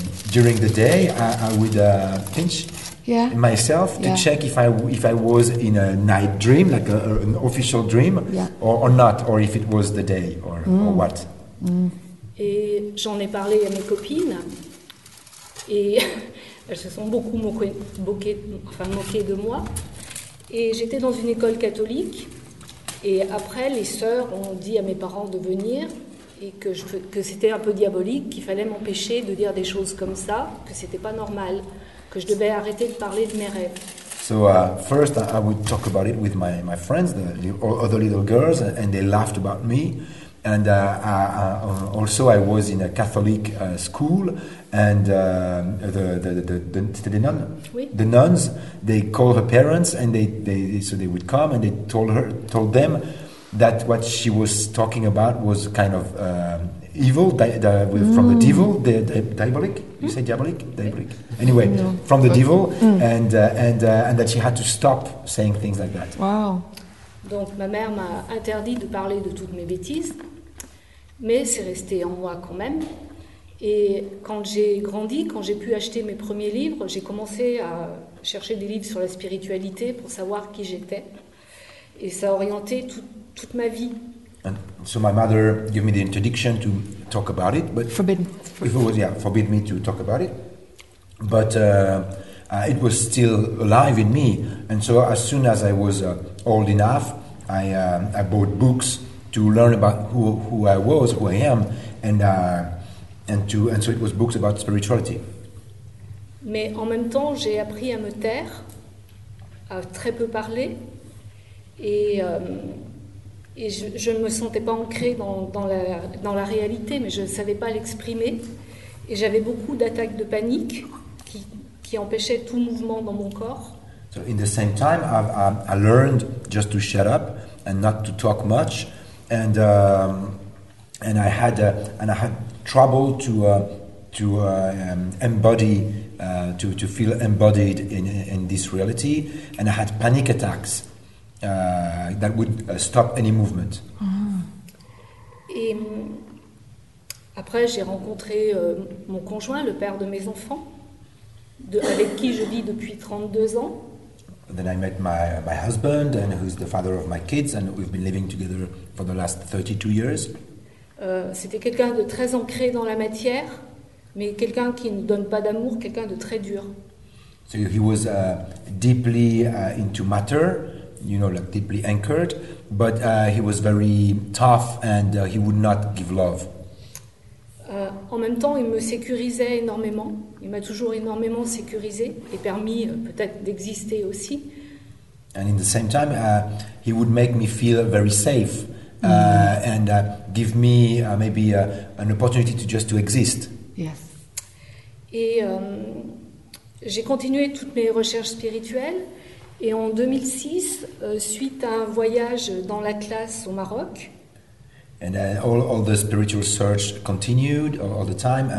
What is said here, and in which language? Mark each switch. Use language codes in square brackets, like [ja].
[en] During the day, I would pinch myself to check if I was in a night dream, like an official dream, or not, or if it was the day, or what. Mm. [fr] Et j'en ai parlé à mes copines, et elles se sont beaucoup moquées de moi. Et j'étais dans une école catholique, et après, les sœurs ont dit à mes parents de venir, et que c'était un peu diabolique, qu'il fallait m'empêcher de dire des choses comme ça, que c'était pas normal, que je devais arrêter de parler de mes rêves. [en] So first I would talk about it with my friends, the other little girls, and they laughed about me, And also I was in a Catholic school, and the nuns, they called her parents, and they would come, and they told them that what she was talking about was kind of evil, from the devil, diabolic. You say diabolic? Diabolic. Anyway, from the devil, and that she had to stop saying things like that. Wow. [fr] Donc ma mère m'a interdit de parler de toutes mes bêtises, mais c'est resté en moi quand même. Et quand j'ai grandi, quand j'ai pu acheter mes premiers livres, j'ai commencé à chercher des livres sur la spiritualité pour savoir qui j'étais, et ça a orienté toute ma vie. [en] And so my mother gave me the introduction to talk about it, but forbid me to talk about it. But it was still alive in me, and so as soon as I was old enough, I bought books to learn about who I was, who I am, and so it was books about spirituality. [fr] Mais en même temps, j'ai appris à me taire, à très peu parler, et je ne me sentais pas ancrée dans la réalité, mais je ne savais pas l'exprimer. Et j'avais beaucoup d'attaques de panique qui empêchaient tout mouvement dans mon corps. [en] So in the same time, I learned just to shut up and not to talk much. And I had trouble to feel embodied in this reality. And I had panic attacks. That would stop any movement. [fr] Et après, j'ai rencontré mon conjoint, le père de mes enfants, avec qui je vis depuis 32 ans. [en] Then I met my husband, and who's the father of my kids, and we've been living together for the last 32 years. [fr] C'était quelqu'un de très ancré dans la matière, mais quelqu'un qui ne donne pas d'amour, quelqu'un de très dur. [en] So he was deeply into matter. You know, like deeply anchored, but he was very tough, and he would not give love. [fr] En même temps, il me sécurisait énormément. Il m'a toujours énormément sécurisé et permis peut-être d'exister aussi. [en] And in the same time, he would make me feel very safe and give me maybe an opportunity to exist. Yes. [fr] Et j'ai continué toutes mes recherches spirituelles. Et en 2006, suite à un voyage dans l'Atlas au Maroc. [en] And all the spiritual search continued all the time.